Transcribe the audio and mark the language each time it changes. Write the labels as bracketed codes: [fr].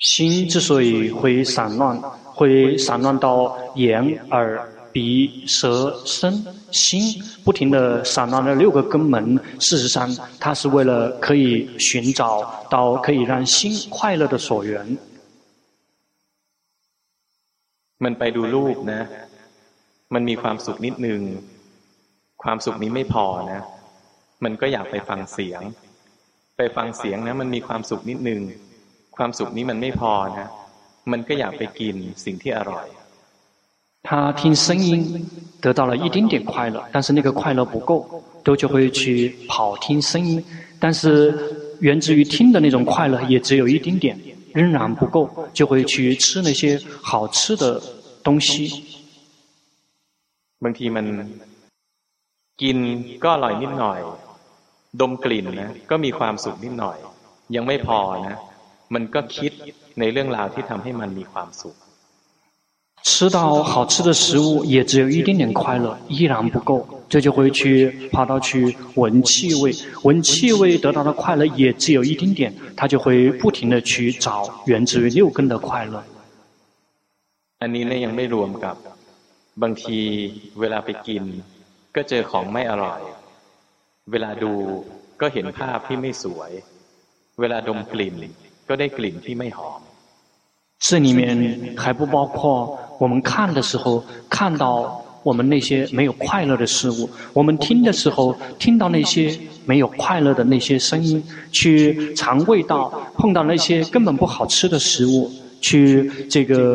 [zh] 心之所以会散乱会散乱到眼耳鼻舌身心不停的散乱的六个根门事实上它是为了可以寻找到可以让心快乐的所缘 [th] มันไปดูรูปนะมันมีความสุขนิดนึงความสุขนี้ไม่พอนะมันก็อยากไปฟังเสียงไปฟังเสียงนะมันมีความสุขนิดนึงความสุขนี้มันไม่พอนะมันก็อยากไปกินสิ่งที่อร่อย [zh] 他听声音得到了一丁点快乐但是那个快乐不够都就会去跑听声音但是源自于听的那种快乐也只有一丁点仍然不够就会去吃那些好吃的东西 [th] บางทีมันกินก็อร่อยนิดหน่อยดมกลิ่นนะก็มีความสุขนิดหน่อยยังไม่พอนะมันก็คิดในเรื่องราวที่ทำให้มันมีความสุข [zh] 吃到好吃的食物也只有一点点快乐依然不够这就会去跑到去闻气味闻气味得到的快乐也只有一点点他就会不停的去找源自于六根的快乐 [th] อันนี้ยังไม่รวมกับบางทีเวลาไปกินก็เจอของไม่อร่อยเวลาดูก็เห็นภาพที่ไม่สวยเวลาดมกลิ่นก็ได้กลิ่นที่ไม่หอม [zh] 这里面还不包括我们看的时候看到我们那些没有快乐的事物我们听的时候听到那些没有快乐的那些声音去尝味道碰到那些根本不好吃的食物去这个